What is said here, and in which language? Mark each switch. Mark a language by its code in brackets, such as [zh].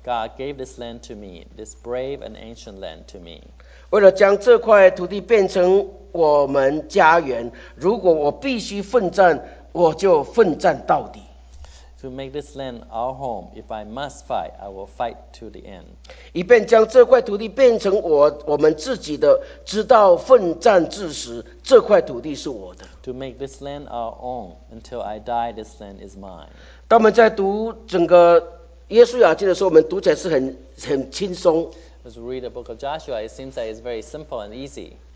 [en] God gave this land to me, this brave and ancient land to me. [zh] 为了将这块土地变成我们家园，如果我必须奋战，我就奋战到底。 [en] To make this land our home, if I must fight, I will fight to the end. [zh] 以便将这块土地变成我们自己的，直到奋战至死，这块土地是我的。 [en] To make this land our own, until I die, this land is mine. [zh] 当我们在读整个耶稣雅经的时候，我们读起来是很轻松。 [en] As we read the book of Joshua, it seems that it's very simple and easy.